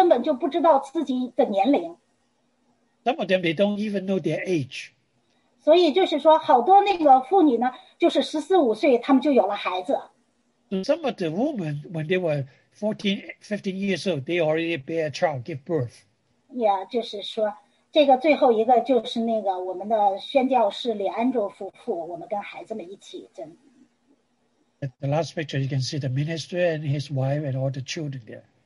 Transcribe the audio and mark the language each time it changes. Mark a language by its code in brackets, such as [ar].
[zh] 就是而且呢，他们都根本就不知道自己的年龄。 [en] Some of them, they don't even know their age. [zh] 所以就是说，好多那个妇女呢，就是14、15岁，他们就有了孩子。 [en] Some of the women, when they were 14, 15 years old, they already bear a child, give birth. [zh] Yeah, 就是说。这个最后一个就是那个我们的宣教士李安卓夫妇，我们跟孩子们一起真。 [en] At the last picture, you can see the minister and his wife and all the children there.